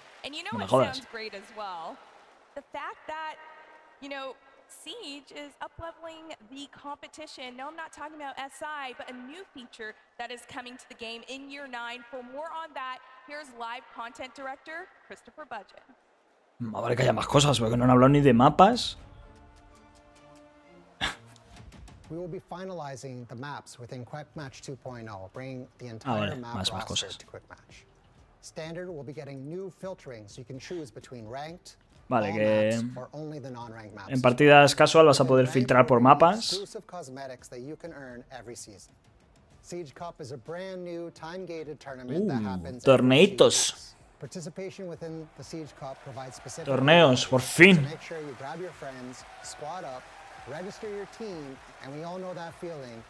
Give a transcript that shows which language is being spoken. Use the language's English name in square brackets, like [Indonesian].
[English] And you know what sounds great as well? The fact that, you know, Siege is up-leveling the competition. No, I'm not talking about SI, but a new feature that is coming to the game in Year 9. For more on that, here's live content director Christopher Budget. [Spanish] Vale, que haya más cosas, porque no han hablado ni de mapas. [English] We will be finalizing the maps within Quick Match 2.0, bringing the entire map roster to Quick Match. Standard will be getting new filtering, so you can choose between ranked, [Spanish] vale, que [English] maps, or only the non-ranked maps. [Spanish] En partidas casual vas a poder filtrar por mapas. [English] Exclusive cosmetics that you can earn every season. Siege Cup is a brand new time-gated tournament that happens. [Spanish] Torneitos. [English] Participation within the Siege Cup provides specific [Spanish] torneos, por fin. [English] Make sure you grab your friends, squad up, register your team, and we all know that feeling.